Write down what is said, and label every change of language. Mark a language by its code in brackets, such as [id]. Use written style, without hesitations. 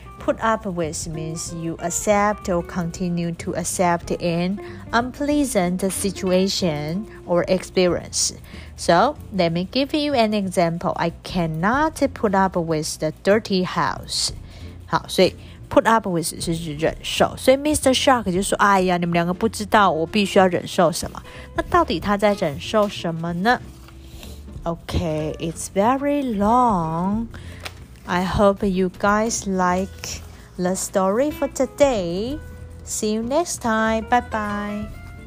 [en] Put up with means you accept or continue to accept an unpleasant situation or experience. So, let me give you an example. I cannot put up with the dirty house. [zh] 好，所以 put up with 是指忍受。所以 Mr. Shark 就说，哎呀，你们两个不知道我必须要忍受什么。那到底他在忍受什么呢？ [en] Okay, it's very long. I hope you guys like the story for today. See you next time. Bye bye.